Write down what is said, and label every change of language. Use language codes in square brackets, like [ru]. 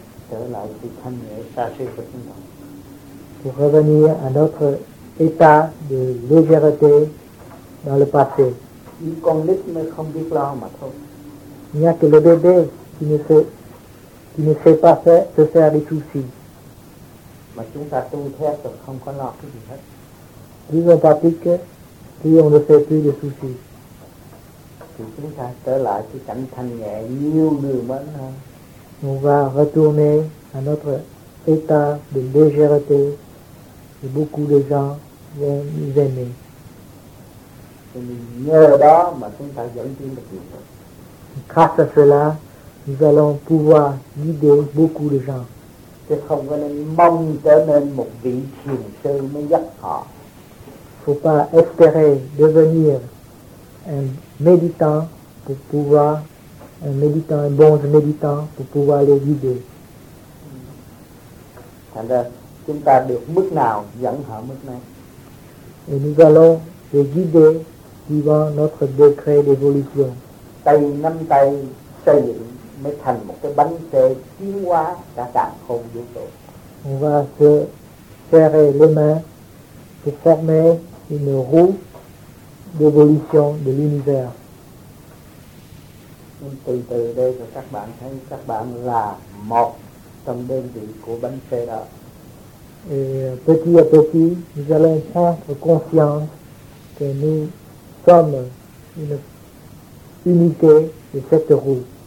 [fr] Pour revenir à notre état de légèreté dans le passé. Il n'y a que le bébé qui ne sait pas. Qui ne sait pas faire, se faire des soucis. [vi] Mà chúng ta tu thép rồi không có lo cái gì hết. [fr] Plus on pratique, plus on ne fait plus de soucis. [vi] Thì chúng ta trở lại cái cảnh thanh nhẹ nhiều người mến hơn. [fr] On va retourner à notre état de légèreté et beaucoup de gens vont nous aimer. [vi] Nhờ đó mà chúng ta dẫn tiến được nhiều. [fr] Grâce à cela, nous allons pouvoir guider beaucoup de gens. [vi] Chứ không có nên mong trở nên một vị thiền sư mới dắt họ. [fr] Faut pas espérer devenir un méditant pour pouvoir un méditant, un bon méditant pour pouvoir les guider. [vi] Thành ra chúng ta được mức nào dẫn họ mức này. [fr] Et nous allons les guider suivant notre degré d'évolution. [vi] Tay nắm tay xây dựng mới thành một cái bánh xe tiến hóa cả càn khôn vũ trụ. [fr] On va se serrer les mains pour former une roue d'évolution de l'univers. [vi] từ từ đây rồi các bạn thấy các bạn là một trong đơn vị của bánh xe đó. [fr] Et petit à petit, nous allons prendre conscience que nous sommes une unité de cette roue.